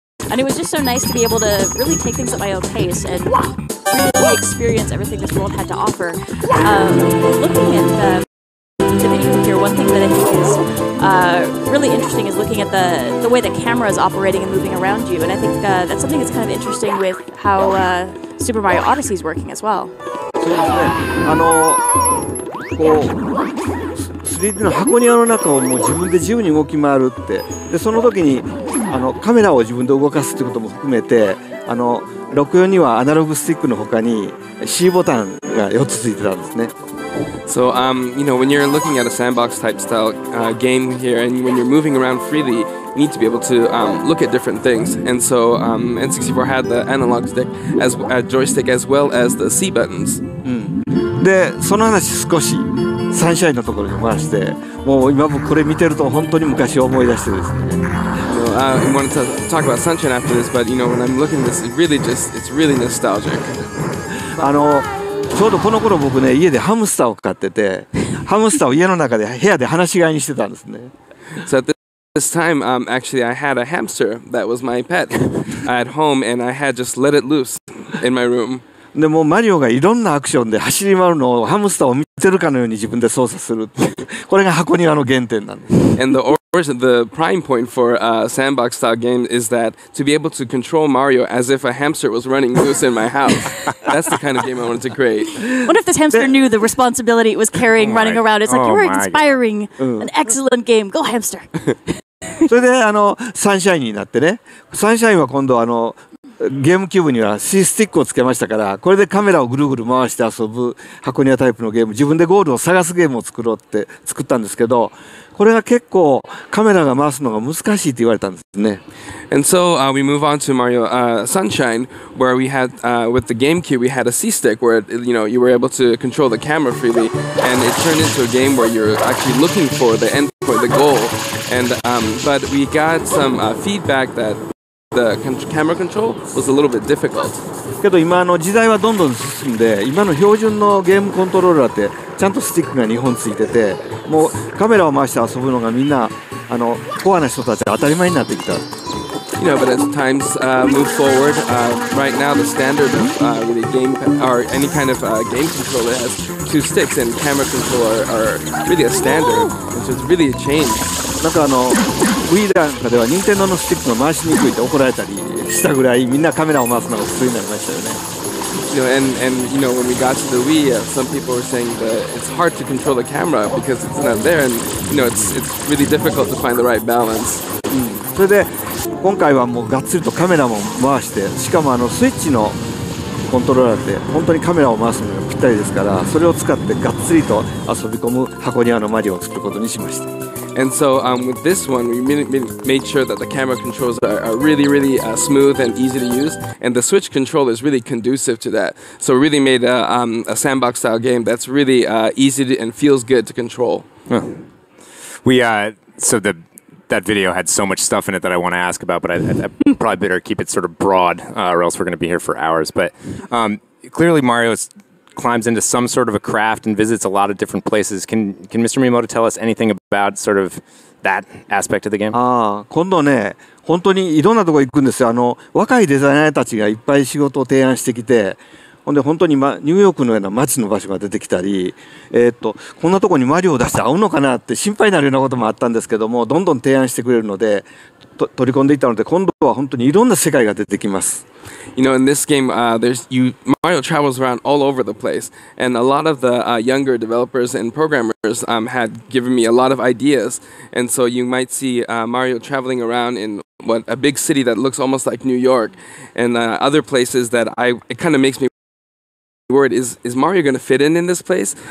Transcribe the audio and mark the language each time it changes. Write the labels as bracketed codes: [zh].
[en] And it was just so nice to be able to really take things at my own pace and really experience everything this world had to offer. Looking at the video here, one thing that I think is really interesting is looking at the way the camera is operating and moving around you, and I think that's something that's kind of interesting with how Super Mario Odyssey is working as well. [ja] そうですね。あの、こう、3D の箱庭の中をもう自分で自由に動き回るって、で、その時にあのカメラを自分で動かすっていうことも含めて、あの、64にはアナログスティックの他に C ボタンが4つついてたんですね。 [en] So, you know, when you're looking at a sandbox type style game here, and when you're moving around freely, you need to be able to look at different things. And so N64 had the analog stick, as a joystick, as well as the C buttons. [ja] で、その話少しサンシャインのところに回して、もう今もこれ見てると本当に昔を思い出してですね。 [en] I wanted to talk about Sunshine after this, but you know, when I'm looking at this, it's really nostalgic. [ja] あの、ちょうどこの頃僕ね、家でハムスターを飼ってて、ハムスターを家の中で部屋で放し飼いにしてたんですね。 [en] So at this time, actually I had a hamster that was my pet at home, and I had just let it loose in my room. [ja] でもマリオがいろんなアクションで走り回るのをハムスターを見てるかのように自分で操作するって。これが箱庭の原点なんです。 [en] And the prime point for a sandbox style game is that to be able to control Mario as if a hamster was running loose in my house. That's the kind of game I wanted to create. What if this hamster knew the responsibility it was carrying running around? It's like, you are inspiring an excellent game. Go, hamster! [ja] それで、あの、サンシャインになってね。サンシャインは今度、あの、ゲームキューブには C スティックをつけましたから、これでカメラをぐるぐる回して遊ぶ箱庭タイプのゲーム、自分でゴールを探すゲームを作ろうって作ったんですけど、これが結構カメラが回すのが難しいって言われたんですね。 [en] And so, we move on to Mario, Sunshine, where we had, with the GameCube, we had a C stick where, you know, you were able to control the camera freely, and it turned into a game where you're actually looking for the end point, the goal. And, but we got some, feedback that the camera control was a little bit difficult. [ja] けど今の時代はどんどん進んで、今の標準のゲームコントローラーってちゃんとスティックが2本ついてて、もうカメラを回して遊ぶのがみんな、あの、コアな人たちが当たり前になってきた。 [en] You know, but as times move forward, right now the standard of really game or any kind of game controller has two sticks, and camera control are really a standard, and so it's really a change. [ja] なんかあの、Wii なんかでは任天堂のスティックが回しにくいって怒られたりしたぐらい、みんなカメラを回すのが普通になりましたよね。 [en] You know, and you know, when we got to the Wii, some people were saying that it's hard to control the camera because it's not there, and you know, it's really difficult to find the right balance. [ja] それで今回はもうがっつりとカメラも回して、しかもあのスイッチの コントローラーって本当にカメラを回すのにぴったりですから、それを使ってがっつりと遊び込む箱庭のマリオを作ることにしました。 [en] And so with this one, we made sure that the camera controls are really, really smooth and easy to use, and the Switch controller is really conducive to that. So we really made a sandbox style game that's really easy to, and feels good to control. Huh. That video had so much stuff in it that I want to ask about, but I probably better keep it sort of broad, or else we're going to be here for hours. But clearly Mario climbs into some sort of a craft and visits a lot of different places. Can Mr. Miyamoto tell us anything about sort of that aspect of the game? [ja] Ah, 今度ね、本当にいろんなとこ行くんですよ。あの、若いデザイナーたちがいっぱい仕事を提案してきて、 本当にニューヨークのような街の場所が出てきたり、こんなとこにマリオ出して会うのかなって心配になるようなこともあったんですけども、どんどん提案してくれるので、取り込んでいったので、今度は本当にいろんな世界が出てきます。 [en] You know, in this game, Mario travels around all over the place, and a lot of the younger developers and programmers had given me a lot of ideas, and so you might see Mario traveling around in what a big city that looks almost like New York, and other places that it kind of makes me word is Mario going to fit in this place?